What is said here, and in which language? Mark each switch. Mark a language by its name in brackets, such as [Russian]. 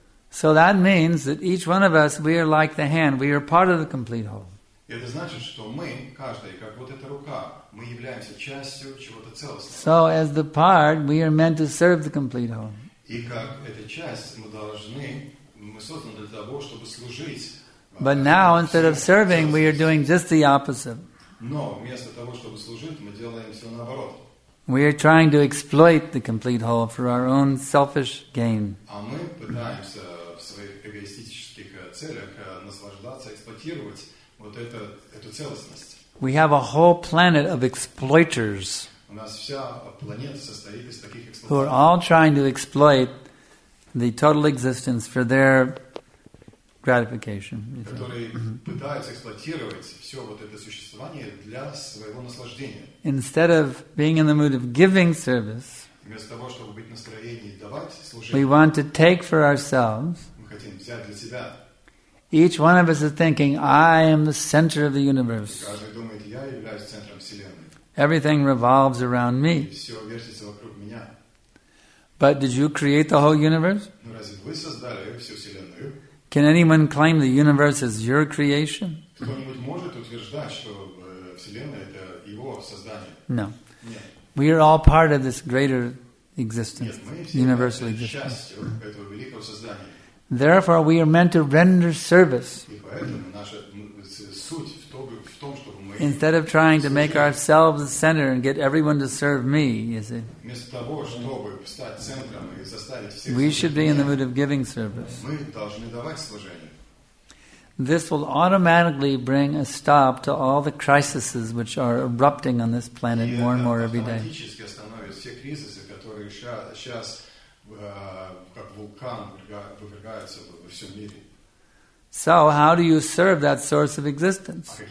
[English] So that means that each one of us, we are like the hand. We are part of the complete whole. [Russian] Это значит, что мы, каждый, как вот эта рука, мы являемся частью чего-то целостного. [English] So as the part, we are meant to serve the complete whole. [Russian] И как эта часть, мы должны, мы созданы для того, чтобы служить. [English] But now, instead of serving, we are doing just the opposite. [Russian] Но вместо того, чтобы служить, мы делаем все наоборот. [English] We are trying to exploit the complete whole for our own selfish gain. [Russian] А мы пытаемся в своих эгоистических целях наслаждаться, эксплуатировать вот эту целостность. [English] We have a whole planet of exploiters. [Russian] У нас вся планета состоит из таких эксплуатеров. [English] Who are all trying to exploit the total existence for their gratification. [Russian] Которые пытаются эксплуатировать все вот это существование для своего наслаждения. [English] Instead of being in the mood of giving service, [Russian] вместо того, чтобы быть в настроении давать служение, [English] we want to take for ourselves. [Russian] Мы хотим взять для себя. [English] Each one of us is thinking, I am the center of the universe. [Russian] Каждый думает, я являюсь центром вселенной. [English] Everything revolves around me. [Russian] Все вертится вокруг меня. [English] But did you create the whole universe? [Russian] Ну разве вы создали всю вселенную? [English] Can anyone claim the universe is your creation? [Russian] Кто-нибудь может утверждать, что вселенная это его создание? [English] No. [Russian] Нет. [English] We are all part of this greater existence. [Russian] Нет, мы все [English] universal existence. [Russian] Частью этого великого создания. [English] Therefore, we are meant to render service. [Russian] И поэтому наша суть в том, чтобы мы [English] instead of trying to make ourselves the center and get everyone to serve me, you see, [Russian] вместо того, чтобы стать центром и заставить всех, [English] we should be in the mood of giving service. [Russian] Мы должны давать служение. [English] This will automatically bring a stop to all the crises which are erupting on this planet more and more every day. [Russian] Автоматически остановит все кризисы, которые сейчас как вулкан вывергаются во всем мире. [English] So, how do you serve that source of existence?